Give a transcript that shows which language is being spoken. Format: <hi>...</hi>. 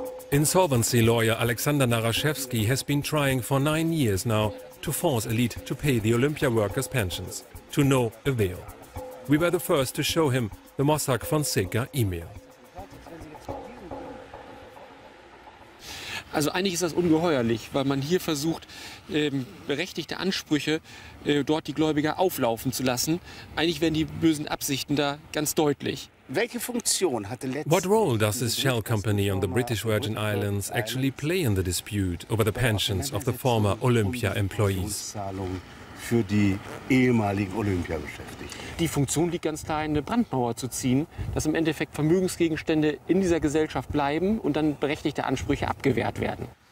<en>Insolvency lawyer Alexander Naraszewski has been trying for 9 years now to force Elite to pay the Olympia workers' pensions, to no avail. We were the first to show him the Mossack Fonseca email.</en> <de>Also eigentlich ist das ungeheuerlich, weil man hier versucht, berechtigte Ansprüche dort die Gläubiger auflaufen zu lassen. Eigentlich werden die bösen Absichten da ganz deutlich. Welche Funktion hatte letztes?</de> <en>What role does this shell company on the British Virgin Islands actually play in the dispute over the pensions of the former Olympia employees?</en> <de>Für die ehemaligen Olympia-Beschäftigten. Die Funktion liegt ganz klar, eine Brandmauer zu ziehen, dass im Endeffekt Vermögensgegenstände in dieser Gesellschaft bleiben und dann berechtigte Ansprüche abgewehrt werden.</de>